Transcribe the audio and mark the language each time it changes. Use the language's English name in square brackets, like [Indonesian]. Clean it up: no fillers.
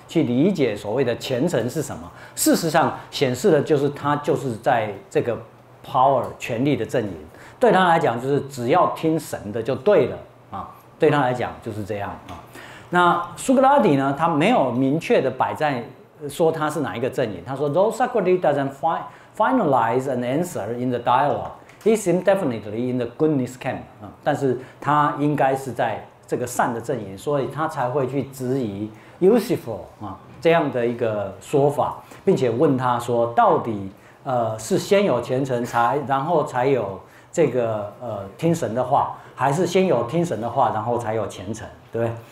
[Chinese] 去理解所谓的虔诚是什么？事实上显示的就是他就是在这个 power 权力的阵营。对他来讲，就是只要听神的就对了啊。对他来讲就是这样啊。那苏格拉底呢？他没有明确的摆在说他是哪一个阵营。他说 [English] ，Though Socrates doesn't finalize an answer in the dialogue, he seems definitely in the goodness camp 啊。 [Chinese] 但是他应该是在这个善的阵营，所以他才会去质疑 Usiphron 啊这样的一个说法，并且问他说，到底是先有虔诚才然后才有这个听神的话，还是先有听神的话然后才有虔诚，对？